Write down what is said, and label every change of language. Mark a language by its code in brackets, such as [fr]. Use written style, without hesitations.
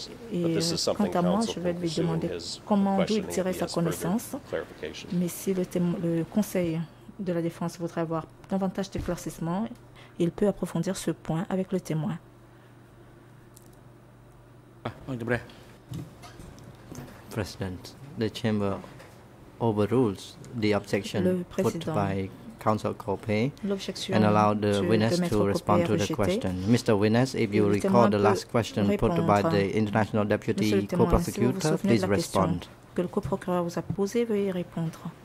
[fr] Et quant à moi, je vais lui demander comment d'où il tirait sa connaissance. Mais si le conseil de la défense voudrait avoir davantage d'éclaircissement, il peut approfondir ce point avec le témoin. [en] President, the chamber overrules the objection put by Counsel Copé and allowed the witness to respond to the question. Mr. Witness, if you recall the last question put by the international deputy co-prosecutor, please respond. [fr] Que le co-procureur vous a posé, veuillez répondre.